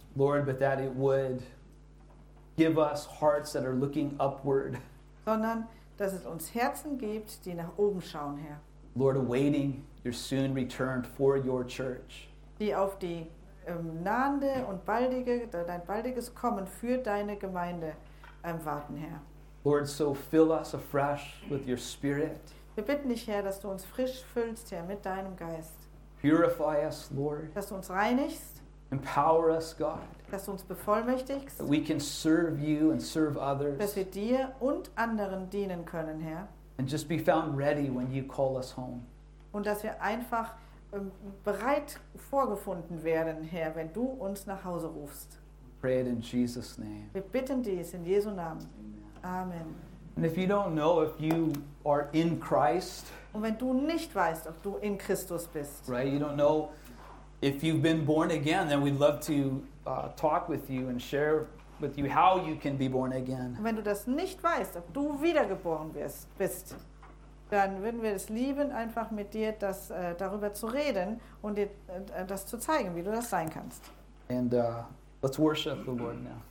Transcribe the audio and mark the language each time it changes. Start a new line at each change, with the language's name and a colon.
English: Lord, but that it would give us hearts that are looking upward.
German: Sondern, dass es uns Herzen gibt, die nach oben schauen, Herr.
English: Lord, awaiting your soon return for your church.
German: Die auf die nahende und baldige, dein baldiges Kommen für deine Gemeinde warten, Herr.
English: Lord, so fill us afresh with your Spirit.
German: Wir bitten dich, Herr, dass du uns frisch füllst, Herr, mit deinem Geist.
English: Purify us, Lord.
German: Dass du uns reinigst.
English: Empower us, God.
German: Dass du uns bevollmächtigst.
English: That we can serve you and serve others.
German: Dass wir dir und anderen dienen können, Herr.
English: And just be found ready when you call us home.
German: Und dass wir einfach bereit vorgefunden werden, Herr, wenn du uns nach Hause rufst.
English: Pray it in Jesus' name.
German: Wir bitten dies in Jesu Namen. Amen.
English: And if you don't know if you are in Christ,
German: und wenn du nicht weißt, ob du in Christus bist,
English: right, you don't know if you've been born again, then we'd love to talk with you and share with you how you can be born again.
German: Und wenn du das nicht weißt, ob du wiedergeboren bist, dann würden wir es lieben, einfach mit dir das darüber zu reden und dir das zu zeigen, wie du das sein kannst.
English: And let's worship the Lord now.